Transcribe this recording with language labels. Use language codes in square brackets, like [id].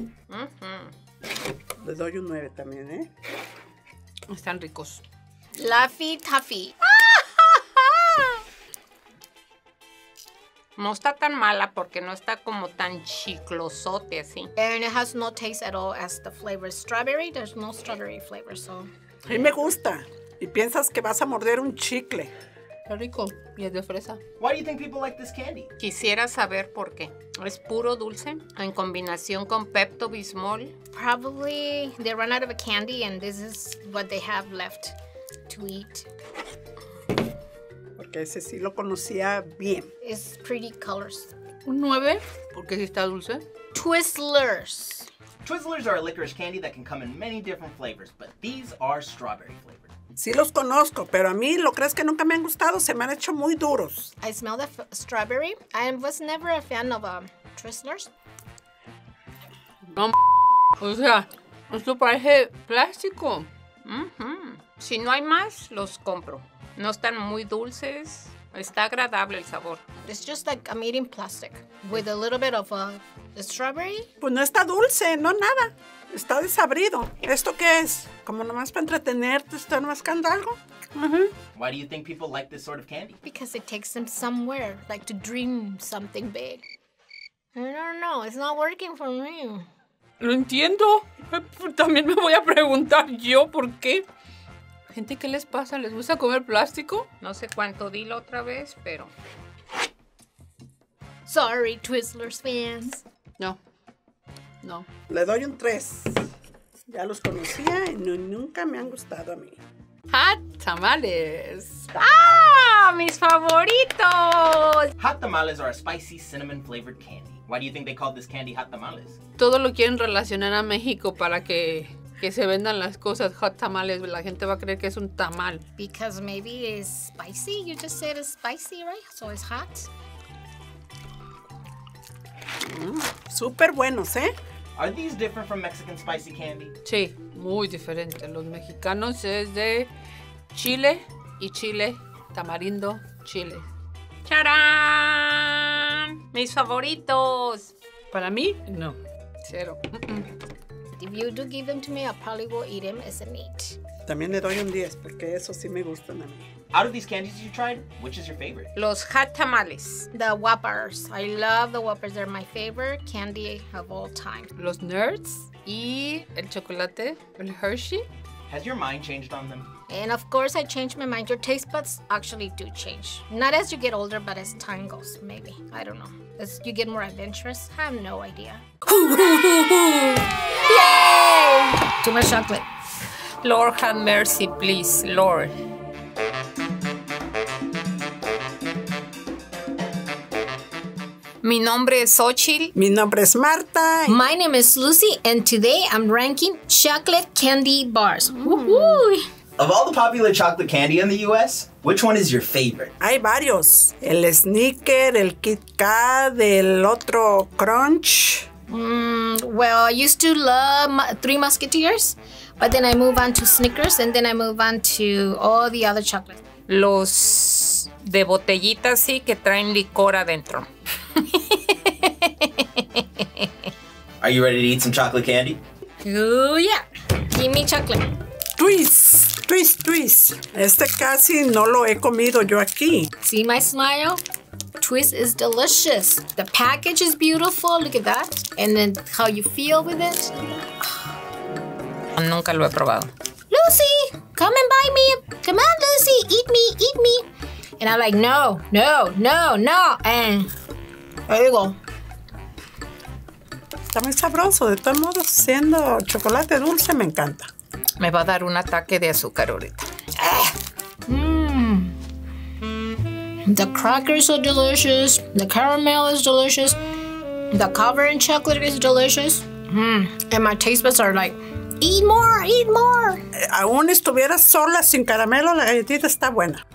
[es] Mm-hmm. Le doy un 9 también, ¿eh? Están ricos. [en] Laffy Taffy. [es] No está tan mala porque no está como tan chiclosote así. [en] And it has no taste at all as the flavor strawberry. There's no strawberry flavor, so. [es] A mí me gusta. Y piensas que vas a morder un chicle. Está rico. Y es de fresa. [en] Why do you think people like this candy? [es] Quisiera saber por qué. Es puro dulce en combinación con Pepto Bismol. [en] Probably they run out of a candy and this is what they have left to eat. [es] Porque ese sí lo conocía bien. [en] It's pretty colors. [es] Un 9, porque sí está dulce. [en] Twizzlers. Twizzlers are a licorice candy that can come in many different flavors, but these are strawberry flavored. [es] Sí los conozco, pero a mí, ¿lo crees que nunca me han gustado? Se me han hecho muy duros. [en] I smell the strawberry. I was never a fan of Twizzlers. [es] No, o sea, esto parece plástico. Mm-hmm. Si no hay más, los compro. No están muy dulces. Está agradable el sabor. [en] It's just like I'm eating plastic with a little bit of the strawberry. [es] Pues no está dulce, no nada. Está desabrido. ¿Esto qué es? ¿Como nomás para entretenerte? ¿Están mascando algo? Uh-huh. [en] Why do you think people like this sort of candy? Because it takes them somewhere, like to dream something big. I don't know. It's not working for me. [es] Lo entiendo. También me voy a preguntar yo por qué. Gente, ¿qué les pasa? ¿Les gusta comer plástico? No sé cuánto dilo otra vez, pero... [en] Sorry, Twizzlers fans. [es] No. No. Le doy un 3. Ya los conocía y no, nunca me han gustado a mí. Hot tamales. ¡Ah! ¡Mis favoritos! [en] Hot tamales are a spicy cinnamon flavored candy. Why do you think they call this candy hot tamales? [es] Todo lo quieren relacionar a México para que... Que se vendan las cosas hot tamales, la gente va a creer que es un tamal. [en] Because maybe it's spicy, you just said it's spicy, right? So it's hot. [es] Súper buenos, ¿eh? [en] Are these different from Mexican spicy candy? [es] Sí, muy diferente. Los mexicanos es de chile y chile, tamarindo, chile. ¡Tarán! ¡Mis favoritos! ¿Para mí? No. Cero. [en] If you do give them to me, I probably will eat them as a meat. [es] También le doy un 10 porque eso sí me gustan a mí. [en] Out of these candies you tried, which is your favorite? [es] Los hot tamales. [en] The Whoppers. I love the Whoppers. They're my favorite candy of all time. [es] Los Nerds y el chocolate, el Hershey. [en] Has your mind changed on them? And of course I changed my mind. Your taste buds actually do change. Not as you get older, but as time goes, maybe. I don't know. As you get more adventurous, I have no idea. Yay! Too much chocolate. Lord have mercy, please, Lord. [es] Mi nombre es Xochitl. Mi nombre es Marta. [en] My name is Lucy, and today I'm ranking chocolate candy bars. Woohoo! Of all the popular chocolate candy in the U.S., which one is your favorite? [es] Hay varios. El Snicker, el Kit Kat, el otro Crunch. [en] Well, I used to love Three Musketeers, but then I move on to Snickers, and then I move on to all the other chocolates. [es] Los de botellita, sí, que traen licor adentro. [en] Are you ready to eat some chocolate candy? Ooh, yeah. Give me chocolate. Twist. [es] Este casi no lo he comido yo aquí. [en] See my smile? Twist is delicious. The package is beautiful. Look at that. And then how you feel with it. [es] Nunca lo he probado. [en] Lucy, come and buy me. Come on, Lucy. Eat me. And I'm like, no. And there you go. [es] Está muy sabroso. De todos modos, siendo chocolate dulce, me encanta. Me va a dar un ataque de azúcar ahorita. [en] The crackers are delicious. The caramel is delicious. The covering chocolate is delicious. And my taste buds are like, eat more. [es] Aún estuviera sola sin caramelo, la galletita está buena.